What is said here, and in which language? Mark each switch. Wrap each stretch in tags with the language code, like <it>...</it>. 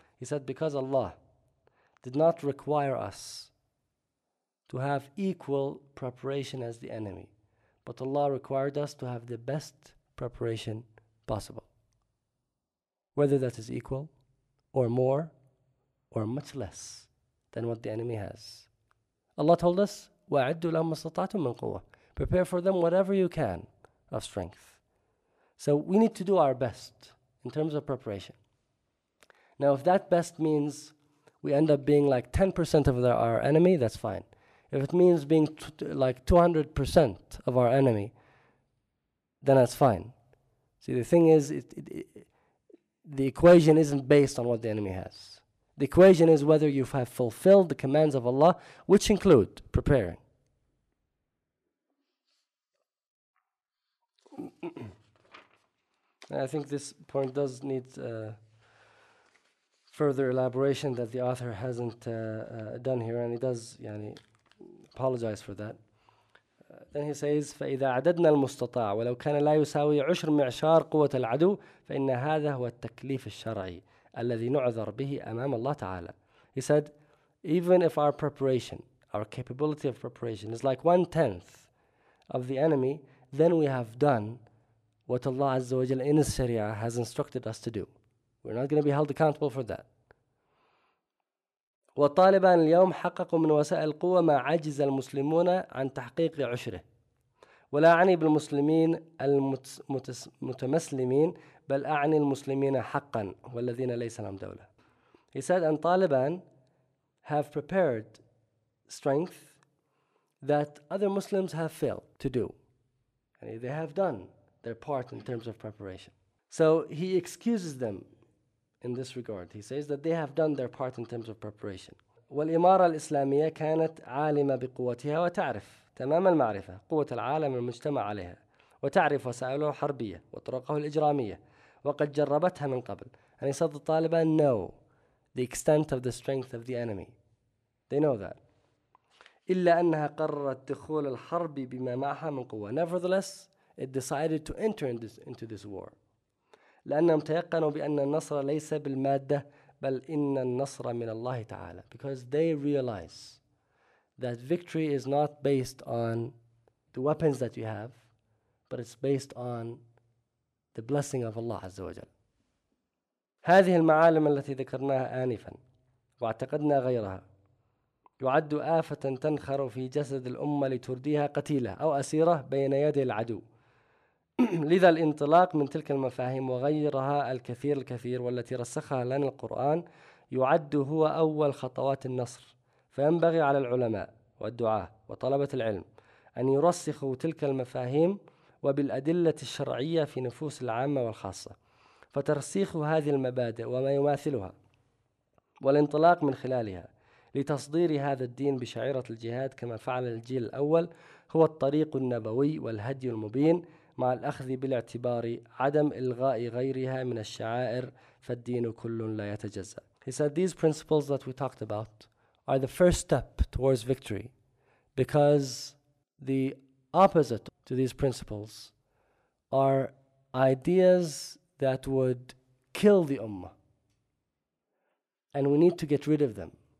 <en>He said, because Allah did not require us to have equal preparation as the enemy, but Allah required us to have the best preparation possible. Whether that is equal, or more, or much less than what the enemy has. Allah told us,</en> <ar>وَأَعِدُّ لَهُمَّ اسْتَطَعْتُمْ مِنْ قُوَّةٍ.</ar> <en>Prepare for them whatever you can of strength. So we need to do our best in terms of preparation. Now if that best means we end up being like 10% of our enemy, that's fine. If it means being like 200% of our enemy, then that's fine. See, the thing is, the equation isn't based on what the enemy has. The equation is whether you have fulfilled the commands of Allah, which include preparing. I think this point does need further elaboration that the author hasn't done here, and he does apologize for that. Then he says,</en> <ar>فإذا عددنا المستطاع ولو كان لا يساوي عشر معشار قوة العدو فإن هذا هو التكليف الشرعي الذي نعذر به أمام الله تعالى.</ar> <en>He said, even if our preparation, our capability of preparation is like 1/10 of the enemy, then we have done what Allah Azza wa Jalla in His Sharia has instructed us to do. We're not going to be held accountable for that.</en> <ar>والطالبان اليوم حققوا من وسائل القوة ما عجز المسلمون عن تحقيق عشره ولا أعني بالمسلمين المتمسلمين بل أعني المسلمين حقا والذين ليس لهم دولة.</ar> <en>He said, and Taliban have prepared strength that other Muslims have failed to do. And they have done their part in terms of preparation. So he excuses them in this regard. He says that they have done their part in terms of preparation.</en> <ar>والإمارة الإسلامية كانت عالمة بقوتها وتعرف تمام المعرفة قوة العالم المجتمع عليها وتعرف وسائله الحربية وطرقه الإجرامية وقد جربتها من قبل.</ar> <en>And he said the Taliban know the extent of the strength of the enemy. They know that.</en> <ar>إلا أنها قررت دخول الحرب بما معها من قوة.</ar> <en>Nevertheless, it decided to enter into this war.</en> <ar>لأنهم تيقنوا بأن النصر ليس بالمادة بل إن النصر من الله تعالى.</ar> <en>Because they realize that victory is not based on the weapons that you have, but it's based on the blessing of Allah Azza wa Jal.</en> <ar>هذه المعالم التي ذكرناها آنفا واعتقدنا غيرها يعد آفة تنخر في جسد الأمة لترديها قتيلة أو أسيرة بين يدي العدو. لذا الانطلاق من تلك المفاهيم وغيرها الكثير الكثير والتي رسخها لنا القرآن يعد هو أول خطوات النصر. فينبغي على العلماء والدعاة وطلبة العلم أن يرسخوا تلك المفاهيم وبالأدلة الشرعية في نفوس العامة والخاصة. فترسيخ هذه المبادئ وما يماثلها والانطلاق من خلالها لتصدير هذا الدين بشعيرة الجهاد كما فعل الجيل الأول هو الطريق النبوي والهدي المبين، مع الأخذ بالاعتبار عدم إلغاء غيرها من الشعائر فالدين كل لا يتجزأ.</ar> <en>He said these principles that we talked about are the first step towards victory, because the opposite to these principles are ideas that would kill the ummah, and we need to get rid of them.</en>